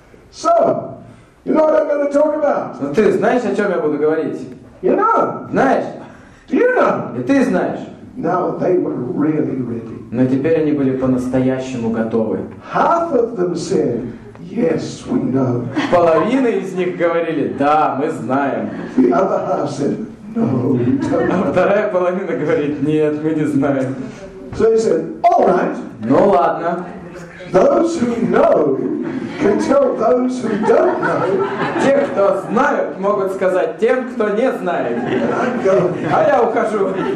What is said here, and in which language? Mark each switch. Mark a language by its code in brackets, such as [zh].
[en] So, you know what I'm going to talk about? [ru] Ну ты знаешь, о чем я буду говорить? [en] You know. [ru] Знаешь? [en] You know. [ru] И ты знаешь? [en] Now they were really ready. [ru] Но теперь они были по-настоящему готовы. [en] Half of them said, yes, we know. [ru] Половина из них говорили, да, мы знаем. [en] The other half said, [ru] а вторая половина говорит, нет, мы не знаем. [en] So he said, all right. [ru] Ну ладно. [en] Those who know can tell those who don't know. [ru] Те, кто знают, могут сказать тем, кто не знает. А я ухожу.